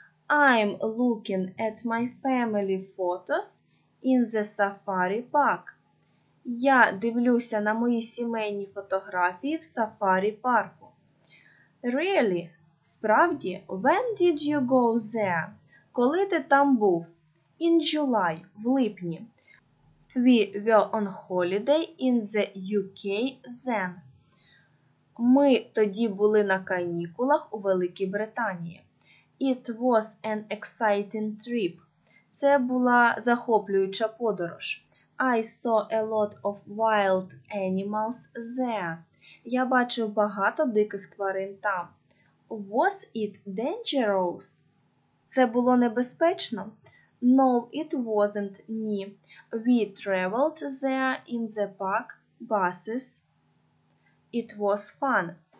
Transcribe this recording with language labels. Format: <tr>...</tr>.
<en>I'm looking at my family photos in the safari park.</en> <uk>Я дивлюся на мої сімейні фотографії в сафарі парку.</uk> <en>Really?</en> <uk>Справді?</uk> <en>When did you go there?</en> <uk>Коли ти там був?</uk> <en>In July,</en> <uk>в липні.</uk> <en>We were on holiday in the UK then.</en> <uk>Ми тоді були на канікулах у Великій Британії.</uk> <en>It was an exciting trip.</en> <uk>Це була захоплююча подорож.</uk> <en>I saw a lot of wild animals there.</en> <uk>Я бачив багато диких тварин там.</uk> <en>Was it dangerous?</en> <uk>Це було небезпечно?</uk> <en>No, it wasn't,</en> <uk>ні.</uk> <en>We traveled there in the park, buses. It was fun.</en>